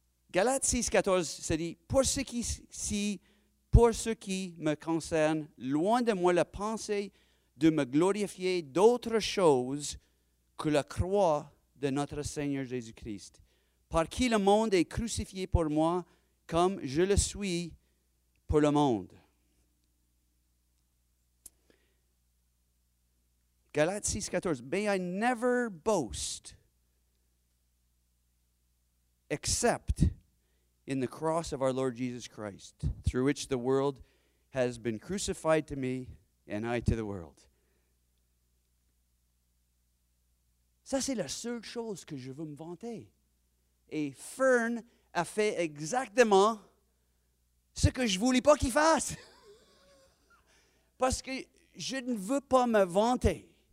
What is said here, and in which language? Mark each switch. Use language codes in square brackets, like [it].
[fr] Galates 6, 14, ça dit, pour ceux qui, si pour ce qui me concerne, loin de moi la pensée de me glorifier d'autre chose que la croix de notre Seigneur Jésus-Christ, par qui le monde est crucifié pour moi comme je le suis pour le monde. [en] Galates 6:14, may I never boast except in the cross of our Lord Jesus Christ, through which the world has been crucified to me and I to the world. [fr] Ça, c'est la seule chose que je veux me vanter. Et Fern a fait exactement ce que je ne voulais pas qu'il fasse. Parce que je ne veux pas me vanter.